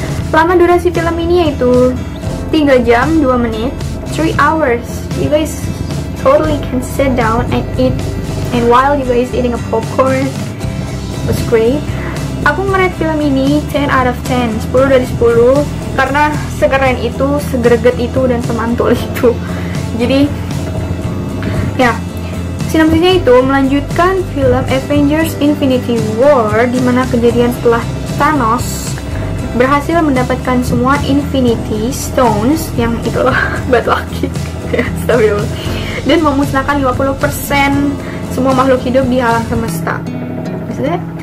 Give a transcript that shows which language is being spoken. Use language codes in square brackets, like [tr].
[id] Lama durasi film ini yaitu 3 jam 2 menit, [en] 3 hours. You guys totally can sit down and eat, and while you guys eating a popcorn, it was great. [id] Aku ngerate film ini [en] 10 out of 10, [id] 10 dari 10, karena sekeren itu, segreget itu, dan semantul itu. Jadi, ya. Yeah. Sinopsisnya itu melanjutkan film Avengers Infinity War di mana kejadian setelah Thanos berhasil mendapatkan semua Infinity Stones, yang itulah bad lucky stabil, dan memusnahkan 50% semua makhluk hidup di alam semesta. [en] Is that?